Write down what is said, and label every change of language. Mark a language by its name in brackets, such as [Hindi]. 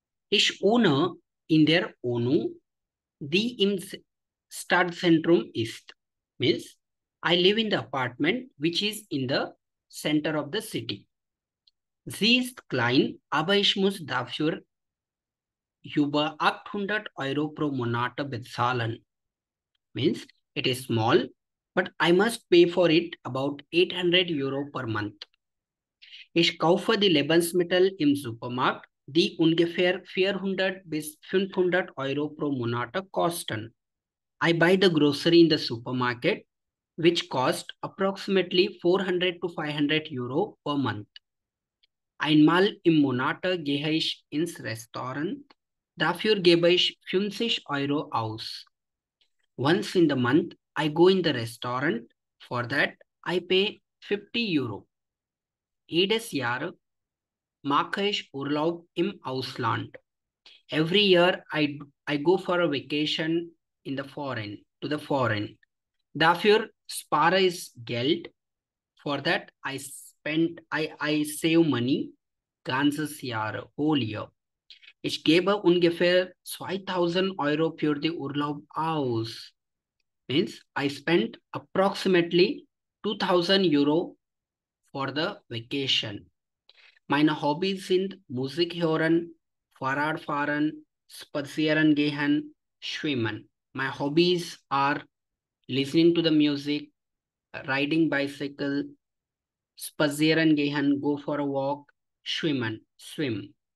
[German] Ich wohne in der Onu, die im Stadtzentrum ist. [English] Means, I live in the apartment which is in the center of the city. [German] Sie ist klein, aber ich muss dafür über 800 Euro pro Monat bezahlen. [English] Means it is small, but I must pay for it about 800 Euro per month. [German] Ich kaufe die Lebensmittel im Supermarkt, die ungefähr 400 bis 500 Euro pro Monat kosten. [English] I buy the grocery in the supermarket, which cost approximately 400 to 500 Euro per month. [German] Einmal im Monat gehe ich ins Restaurant. Dafür gebe ich 50 Euro aus. [English] Once in the month, I go in the restaurant. For that, I pay 50 Euro. [German] Jedes Jahr mache ich Urlaub im Ausland. [English] Every year, I go for a vacation in the foreign, to the foreign. [German] Dafür spare ich Geld. [English] For that, I save money [German] ganzes Jahr, [English] whole year. [German] Ich gebe ungefähr 2000 Euro für die Urlaub aus. [English] Means I spent approximately 2000 Euro for the vacation. [German] Meine Hobbys sind Musik hören, Fahrrad fahren, spazieren gehen, schwimmen. [English] My hobbies are listening to the music, riding bicycle, [German] spazieren gehen, [English] go for a walk, [German] schwimmen, [English] swim.